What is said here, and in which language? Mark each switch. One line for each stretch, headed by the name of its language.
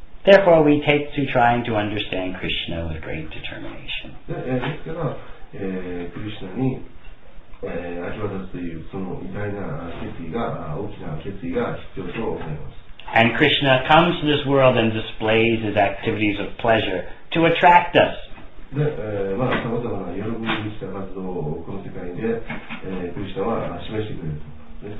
English: Therefore, we take to trying to understand Krishna with great determination.
Japanese: ですから、クリシナに、明け渡すというその偉大な決意が、大きな決意が必要と思います。
English: And Krishna comes to this world and displays his activities of pleasure to attract us.
Japanese: で、まあ、さまざまな喜びにした活動をこの世界で、クリシナは示してくれると。